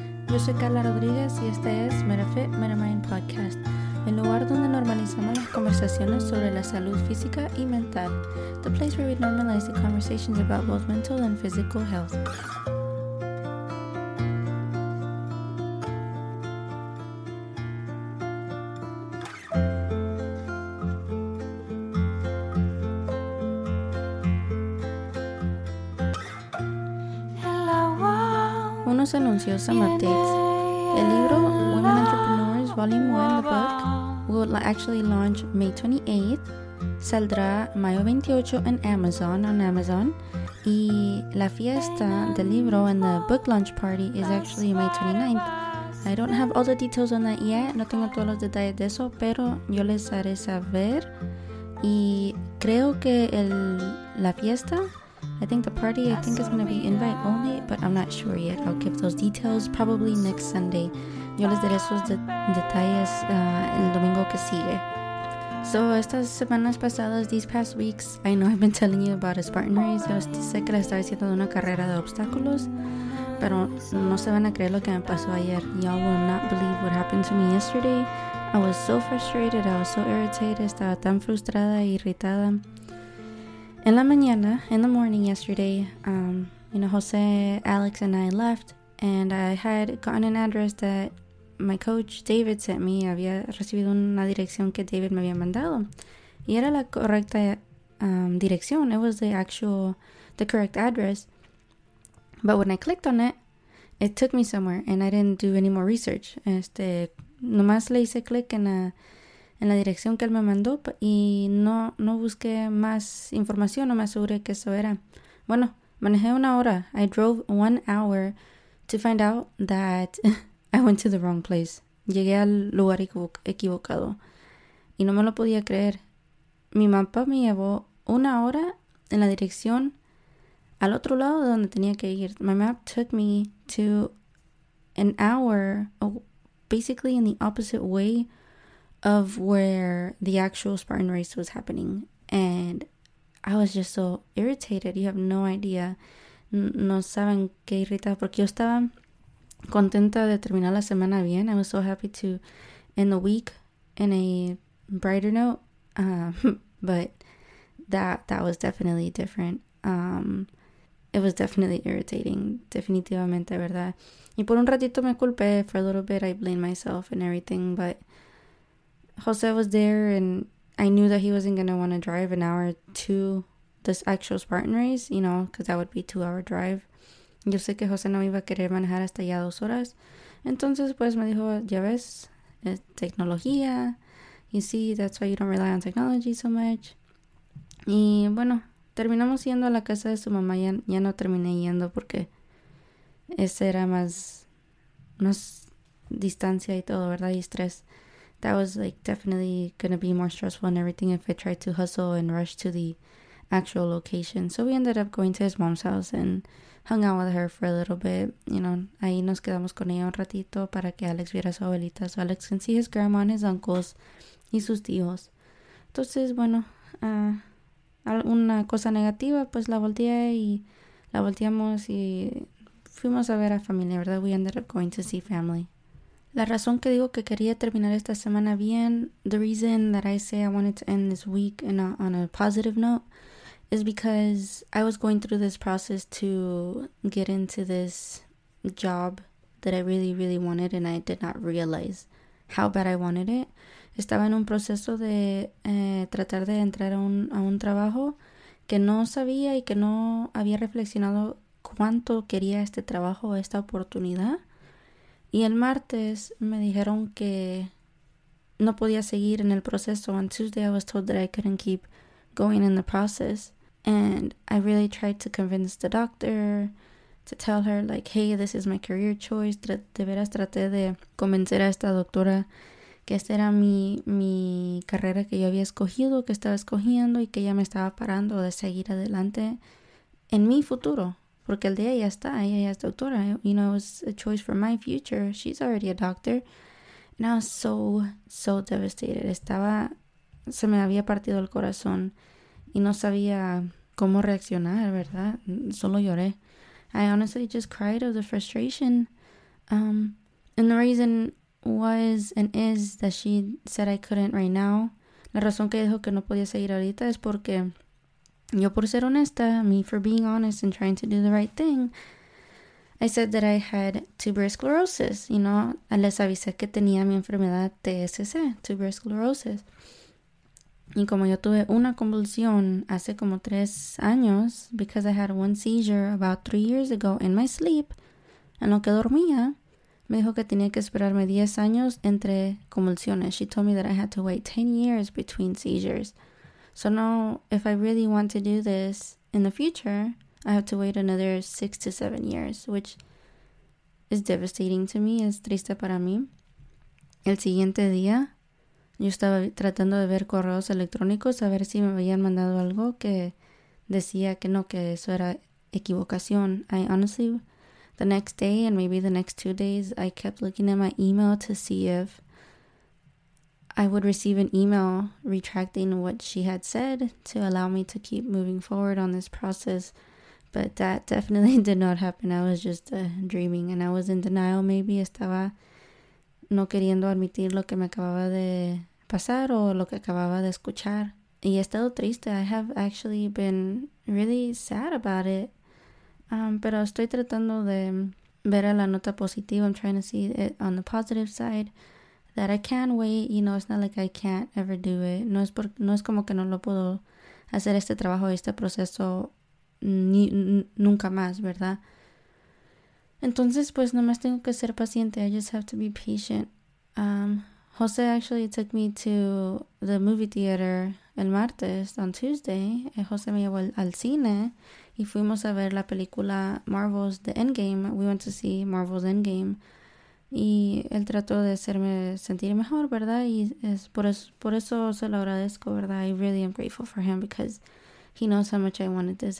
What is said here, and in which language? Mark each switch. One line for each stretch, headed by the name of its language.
Spanish: Yo soy Carla Rodríguez y este es MetaFit MetaMind Podcast, el lugar donde normalizamos las conversaciones sobre la salud física y mental.
English: The place where we normalize the conversations about both mental and physical health.
Spanish: Anuncios
English: and updates.
Spanish: El libro
English: Women Entrepreneurs Volume 1, the book, will actually launch May 28th.
Spanish: Saldrá mayo 28
English: on Amazon.
Spanish: Y la fiesta del libro
English: and the book launch party is actually May 29th. I don't have all the details on that yet.
Spanish: No tengo todos los detalles de eso, pero yo les haré saber. Y creo que la fiesta,
English: I think is going to be invite only, but I'm not sure yet. I'll give those details probably next Sunday.
Spanish: Yo les daré esos detalles el domingo que sigue.
English: So,
Spanish: estas semanas pasadas,
English: these past weeks, I know I've been telling you about a Spartan race.
Spanish: Yo sé que les estaba diciendo de una carrera de obstáculos, pero no se van a creer lo que me pasó ayer.
English: Y'all will not believe what happened to me yesterday. I was so frustrated. I was so irritated.
Spanish: Estaba tan frustrada e irritada. En la mañana,
English: in the morning yesterday, you know, Jose, Alex, and I left, and I had gotten an address that my coach David sent me.
Spanish: Había recibido una dirección que David me había mandado, y era la correcta dirección.
English: It was the correct address. But when I clicked on it, it took me somewhere, and I didn't do any more research.
Spanish: Nomás le hice click en la dirección que él me mandó y no busqué más información, no me aseguré que eso era. Bueno, manejé una hora.
English: I drove 1 hour to find out that I went to the wrong place.
Spanish: Llegué al lugar equivocado y no me lo podía creer. Mi mapa me llevó
English: 1 hour
Spanish: en la dirección al otro lado de donde tenía que ir.
English: My map took me to 1 hour, basically in the opposite way of where the actual Spartan race was happening, and I was just so irritated. You have no idea.
Spanish: No saben qué irritada, porque yo estaba contenta de terminar la semana bien.
English: I was so happy to end the week in a brighter note, but that was definitely different. It was definitely irritating,
Spanish: definitivamente, verdad. Y por un ratito me culpé.
English: For a little bit, I blamed myself and everything, but Jose was there, and I knew that he wasn't going to want to drive 1 hour to this actual Spartan race, you know, because that would be 2 hour drive.
Spanish: Yo sé que Jose no iba a querer manejar hasta ya 2 horas. Entonces, pues, me dijo, ya ves, es tecnología.
English: You see, that's why you don't rely on technology so much.
Spanish: Y, bueno, terminamos yendo a la casa de su mamá. Ya no terminé yendo porque ese era más distancia y todo, ¿verdad? Y estrés.
English: That was like definitely gonna be more stressful and everything if I tried to hustle and rush to the actual location. So we ended up going to his mom's house and hung out with her for a little bit. You know,
Spanish: ahí nos quedamos con ella un ratito para que Alex viera a su abuelita.
English: So Alex can see his grandma and his uncles
Spanish: y sus tíos. Entonces, bueno, una cosa negativa, pues la volteamos y fuimos a ver a familia, ¿verdad?
English: We ended up going to see family.
Spanish: La razón que digo que quería terminar esta semana bien,
English: the reason that I say I wanted to end this week on a positive note, is because I was going through this process to get into this job that I really, really wanted, and I did not realize how bad I wanted it.
Spanish: Estaba en un proceso de tratar de entrar a un trabajo que no sabía y que no había reflexionado cuánto quería este trabajo, esta oportunidad. Y el martes me dijeron que no podía seguir en el proceso.
English: On Tuesday I was told that I couldn't keep going in the process. And I really tried to convince the doctor, to tell her like, hey, this is my career choice.
Spanish: De veras traté de convencer a esta doctora que esta era mi carrera que yo había escogido, que estaba escogiendo y que ella me estaba parando de seguir adelante en mi futuro. Porque el día ya está, ella ya es doctora.
English: You know, it was a choice for my future. She's already a doctor. And I was so, so devastated.
Spanish: Se me había partido el corazón. Y no sabía cómo reaccionar, ¿verdad? Solo lloré.
English: I honestly just cried of the frustration. And the reason was and is that she said I couldn't right now.
Spanish: La razón que dijo que no podía seguir ahorita es porque yo por ser honesta, me
English: for being honest and trying to do the right thing, I said that I had tuberous sclerosis, you know,
Spanish: les avisé que tenía mi enfermedad TSC, tuberous sclerosis. Y como yo tuve una convulsión hace como 3 años,
English: because I had one seizure about 3 years ago in my sleep,
Spanish: en lo que dormía, me dijo que tenía que esperarme 10 años entre convulsiones.
English: She told me that I had to wait 10 years between seizures. So now, if I really want to do this in the future, I have to wait another 6 to 7 years, which is devastating to me,
Spanish: es triste para mí. El siguiente día, yo estaba tratando de ver correos electrónicos a ver si me habían mandado algo que decía que no, que eso era equivocación.
English: I honestly, the next day and maybe the next 2 days, I kept looking at my email to see if I would receive an email retracting what she had said to allow me to keep moving forward on this process. But that definitely did not happen. I was just dreaming and I was in denial. Maybe
Spanish: estaba no queriendo admitir lo que me acababa de pasar o lo que acababa de escuchar. Y he estado triste.
English: I have actually been really sad about it.
Spanish: Pero estoy tratando de ver a la nota positiva.
English: I'm trying to see it on the positive side. That I can wait, you know, it's not like I can't ever do it.
Spanish: No es como que no lo puedo hacer este trabajo, este proceso, nunca más, ¿verdad? Entonces, pues, nomás tengo que ser paciente.
English: I just have to be patient. Jose actually took me to the movie theater
Spanish: el martes,
English: on Tuesday.
Spanish: Jose me llevó al cine y fuimos a ver la película Marvel's The Endgame.
English: We went to see Marvel's Endgame.
Spanish: Y él trató de hacerme sentir mejor, ¿verdad? Y es por eso se lo agradezco, ¿verdad?
English: I really am grateful for him because he knows how much I wanted this.